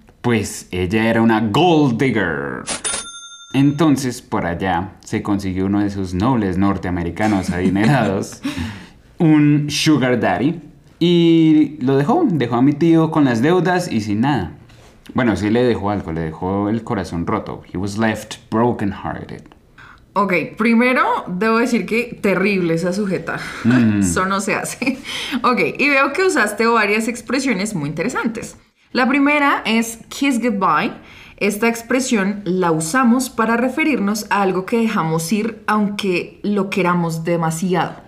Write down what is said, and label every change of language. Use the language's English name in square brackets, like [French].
[Spanish] Pues ella era una gold digger. Entonces, por allá, se consiguió uno de esos nobles norteamericanos adinerados, un sugar daddy, y lo dejó. Dejó a mi tío con las deudas y sin nada. Bueno, sí le dejó algo, le dejó el corazón roto. [English] He was left broken hearted. [Spanish] Ok, primero debo decir que terrible esa sujeta. Eso no se hace. Ok, y veo que usaste varias expresiones muy interesantes. La primera es kiss goodbye. Esta expresión la usamos para referirnos a algo que dejamos ir aunque lo queramos demasiado.